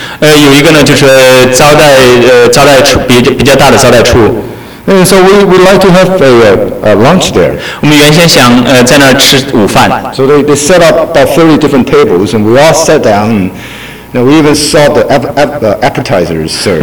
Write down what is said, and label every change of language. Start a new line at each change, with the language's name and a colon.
Chinese: 有一个呢，就是招待处比较大的招待处。
English: And so we like to have a lunch there.
Chinese: 我们原先想在那儿吃午饭。
English: So they set up about 30 different tables, and we all sat down. And we even saw the appetizers served.